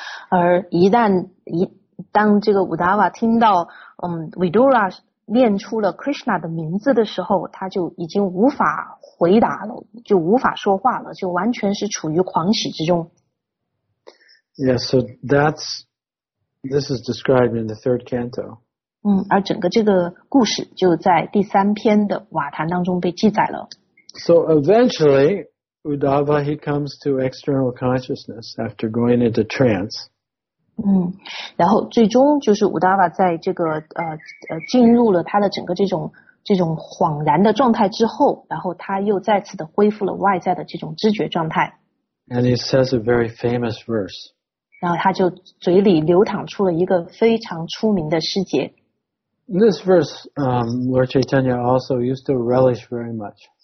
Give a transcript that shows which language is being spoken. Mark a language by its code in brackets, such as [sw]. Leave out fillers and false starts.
[zh] 而当这个 Uddhava 听到Vidura 念出了 Krishna 的名字的时候，他就已经无法回答了，就无法说话了，就完全是处于狂喜之中。 [en] Yes, so this is described in the third canto. [zh] 而整个这个故事就在第三篇的瓦坛当中被记载了。 [en] So eventually, Uddhava, he comes to external consciousness after going into trance. [zh] 然后最终就是 Uddhava 在这个进入了他的整个这种恍然的状态之后，然后他又再次的恢复了外在的这种知觉状态。 [en] And he says a very famous verse. [zh] 然后他就嘴里流淌出了一个非常出名的诗节。 [en] This verse, Lord Chaitanya also used to relish very much.